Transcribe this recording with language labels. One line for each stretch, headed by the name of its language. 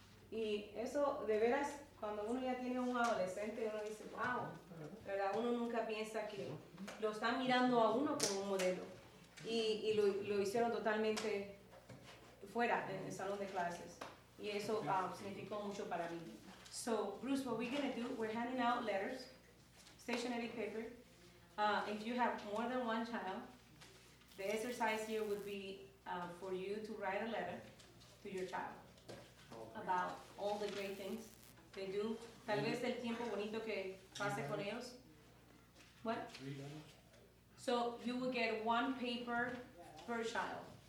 Spanish: Y eso, de veras, cuando uno ya tiene un adolescente, uno dice, wow, ¿verdad? Uno nunca piensa que lo está mirando a uno como un modelo. Y lo hicieron totalmente fuera, en el salón de clases. Y eso significó mucho para mí.
English: So, Bruce, what we're going to do, we're handing out letters, stationery paper. If you have more than one child, the exercise here would be for you to write a letter to your child about all the great things they do.
Spanish: Tal vez el tiempo bonito que pase con ellos.
English: What? So you will get one paper per child.